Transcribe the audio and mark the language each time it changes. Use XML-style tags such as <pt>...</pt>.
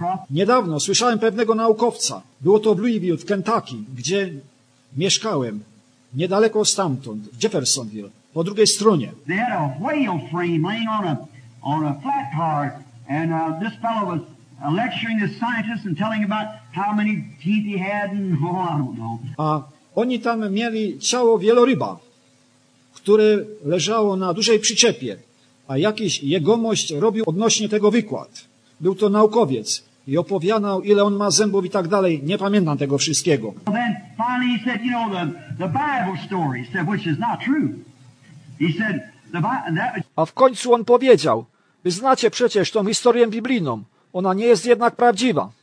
<pl>Niedawno słyszałem pewnego naukowca. Było to w Louisville, w Kentucky, gdzie mieszkałem. Niedaleko stamtąd, w Jeffersonville, po drugiej stronie.</pl> <en>They had a whale frame laying on a flat car and this fellow was lecturing the scientists and telling about how many teeth he had and oh, I don't know.</en> <pl>A oni tam mieli ciało wieloryba, które leżało na dużej przyczepie, a jakiś jegomość robił odnośnie tego wykład. Był to naukowiec i opowiadał, ile on ma zębów i tak dalej. Nie pamiętam tego wszystkiego.</pl> <en>Well, then finally he said, you know, the Bible story, said, which is not true. He said,</en> <pl>A w końcu on powiedział, wy znacie przecież tą historię biblijną. Ona nie jest jednak prawdziwa.</pl>